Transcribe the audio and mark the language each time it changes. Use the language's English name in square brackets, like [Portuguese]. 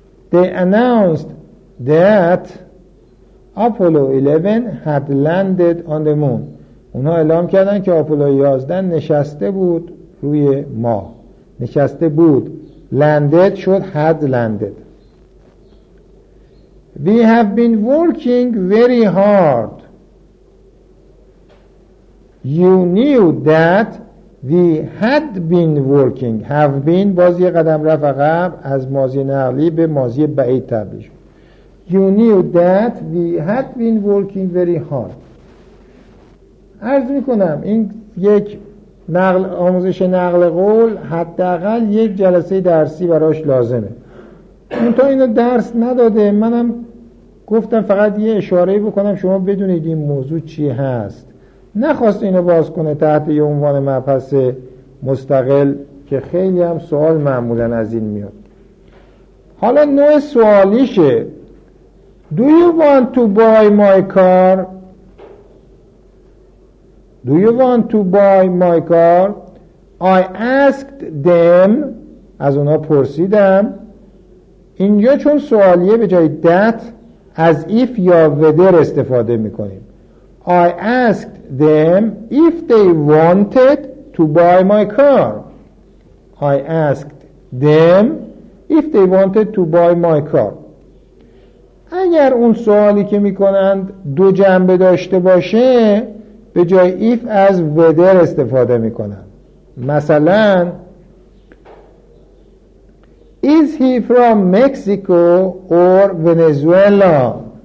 [English] They announced that Apollo 11 had landed on the moon. [Persian] اونها اعلام کردن که Apollo 11 نشسته بود روی ماه. نشسته بود. Landed شد had landed. [English] We have been working very hard. You knew that we had been working. [Persian] Have been باز یه قدم رفت عقب، از ماضی نقلی به ماضی بعید تبدیل شد. [English] You knew that we had been working very hard. [Persian] عرض میکنم این یک نقل آموزش نقل قول حداقل یک جلسه درسی براش لازمه. اون تا اینو درس نداده، منم گفتم فقط یه اشاره بکنم شما بدونید این موضوع چی هست. نخواست اینو باز کنه تحت یه عنوان مبحث مستقل که خیلی هم سوال معمولا از این میاد. حالا نوع سوالیشه [English] Do you want to buy my car؟ Do you want to buy my car? I asked them. [Persian] از اونا پرسیدم. اینجا چون سوالیه به جای that از if یا whether استفاده میکنیم. [English] I asked them if they wanted to buy my car. I asked them if they wanted to buy my car. [Persian] اگر اون سوالی که میکنند دو جنبه داشته باشه به جای if از whether استفاده میکنند. مثلا [English] Is he from Mexico or Venezuela?